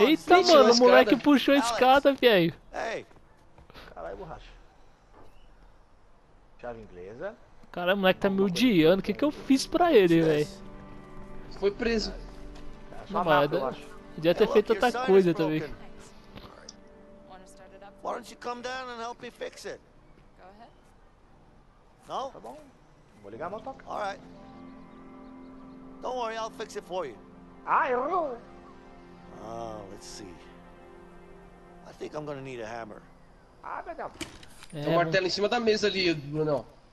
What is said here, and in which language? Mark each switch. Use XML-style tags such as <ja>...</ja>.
<pt>Eita, sim, mano, o moleque puxou a escada, velho. Ei. Caralho, borracha. Chave inglesa. Caralho, o moleque tá me odiando. O que que eu fiz pra ele, velho? Foi preso. Não, mas eu acho. Devia ter feito outra coisa também.</pt> <en>Why don't you come down and help me fix it? Go ahead. No?</en> <pt>Tá bom. Vou ligar a moto.</pt> <en>All right. Don't worry, I'll fix it for you.</en> <pt>Ah, errou.</pt> <en>Ah, let's see. I think I'm gonna need a hammer.</en> <pt>Ah, meu Deus. Tem um martelo em cima da mesa ali, Bruno.</pt>